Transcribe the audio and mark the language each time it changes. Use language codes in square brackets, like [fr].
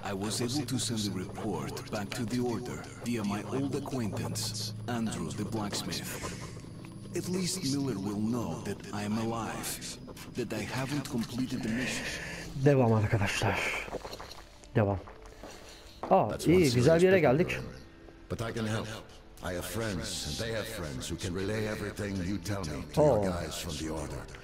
[en] I was able to send the report back to the order via my old acquaintance, Andrew the blacksmith. At least Miller will know that I am alive, that I haven't completed the mission. [tr] Devam arkadaşlar. Devam. Aa, iyi, güzel bir yere geldik. [en] But I can help. I have friends, and they have friends who can relay everything you tell me to your guys from the order.